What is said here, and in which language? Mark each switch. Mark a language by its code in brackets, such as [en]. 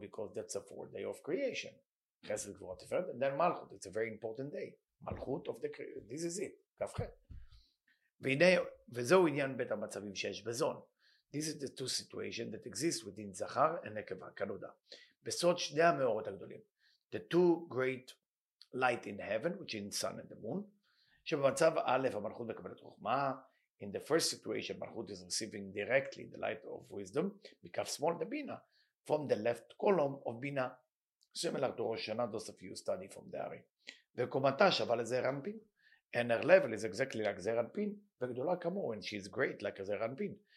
[en] Because that's a 4 day of creation. Chesed gvurah tiferet, and then malchut. It's a very important day. Malchut of the creation. This is it. Kafchet. [he] וזהו עניין בית המצבים שיש בזון. [en] This is the two situations that exist within זכר and נקבה, [he] כנודע. בסוד שני המאורות הגדולים. [en] The two great light in heaven, which is sun and the moon. [he] שבמצב א', המלכות מקבלת חוכמה. [en] In the first situation, מלכות is receiving directly the light of wisdom. [he] מכף שמאל דבינה. [en] From the left column of Bina, similar to Rosh Hashanah, those of you study from the Ari. [he] וקומתה שווה לזעיר אנפין, [en] and her level is exactly like זעיר אנפין, [he] וגדולה כמו, [en] and she is great like זעיר אנפין.